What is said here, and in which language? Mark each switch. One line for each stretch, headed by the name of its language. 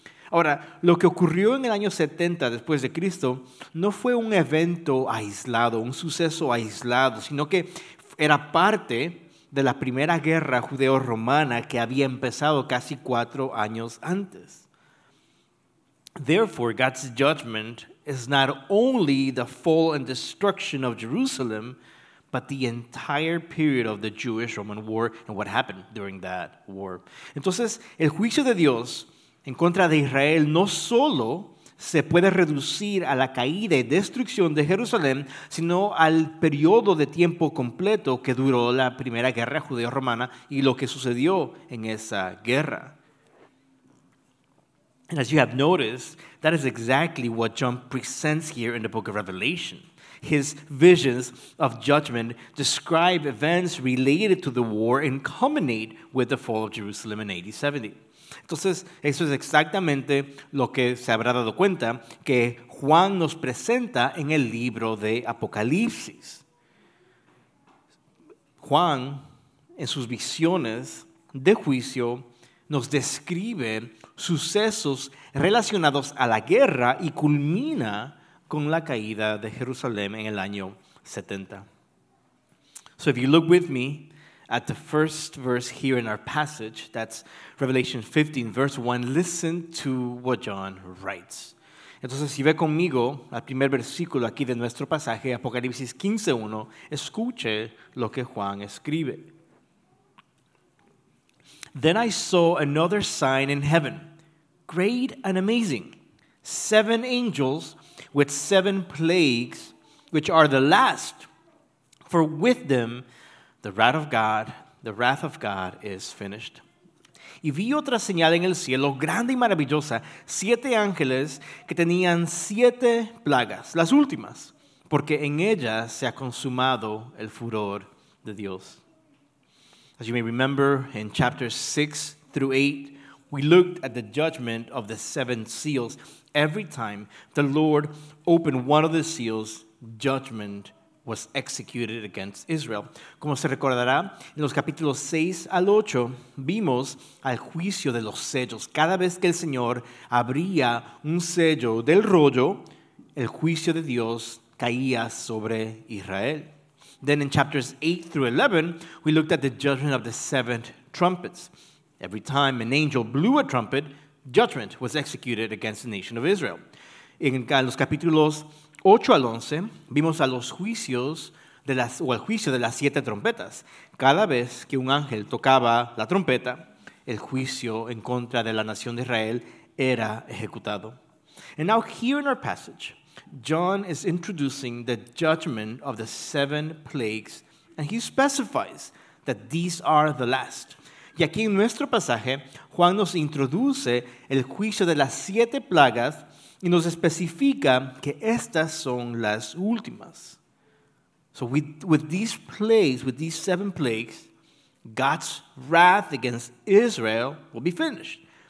Spanish: Ahora, lo que ocurrió en el año 70 después de Cristo no fue un evento aislado, un suceso aislado, sino que era parte de la primera guerra judeo-romana que había empezado casi 4 años antes.
English: Therefore, God's judgment is not only the fall and destruction of Jerusalem, but the entire period of the Jewish-Roman War and what happened during that war.
Spanish: Entonces, el juicio de Dios en contra de Israel no solo se puede reducir a la caída y destrucción de Jerusalén, sino al periodo de tiempo completo que duró la Primera Guerra Judeo-Romana y lo que sucedió en esa guerra.
English: And as you have noticed, that is exactly what John presents here in the book of Revelation. His visions of judgment describe events related to the war and culminate with the fall of Jerusalem in AD 70.
Spanish: Entonces, eso es exactamente lo que se habrá dado cuenta que Juan nos presenta en el libro de Apocalipsis. Juan, en sus visiones de juicio, nos describe sucesos relacionados a la guerra y culmina con la caída de Jerusalén en el año 70.
English: So if you look with me at the first verse here in our passage, that's Revelation 15, verse 1, listen to what John writes.
Spanish: Entonces, si ve conmigo al primer versículo aquí de nuestro pasaje, Apocalipsis 15:1, escuche lo que Juan escribe.
English: Then I saw another sign in heaven, great and amazing, 7 angels with 7 plagues, which are the last, for with them the wrath of God is finished.
Spanish: Y vi otra señal en el cielo, grande y maravillosa, 7 ángeles que tenían 7 plagas, las últimas, porque en ellas se ha consumado el furor de Dios.
English: As you may remember, in chapters 6-8, we looked at the judgment of the 7 seals. Every time the Lord opened one of the seals, judgment was executed against Israel.
Spanish: Como se recordará, en los capítulos 6-8, vimos al juicio de los sellos. Cada vez que el Señor abría un sello del rollo, el juicio de Dios caía sobre Israel.
English: Then in chapters 8-11, we looked at the judgment of the 7 trumpets. Every time an angel blew a trumpet, judgment was executed against the nation of Israel.
Spanish: En los capítulos 8-11, vimos a los juicios de las, o el juicio de las 7 trompetas. Cada vez que un ángel tocaba la trompeta, el juicio en contra de la nación de Israel era ejecutado.
English: And now here in our passage, John is introducing the judgment of the 7 plagues, and he specifies that these are the last.
Spanish: Y aquí en nuestro pasaje, Juan nos introduce el juicio de las 7 plagas y nos especifica que estas son las últimas.
English: So with these 7 plagues, God's wrath against Israel will be finished.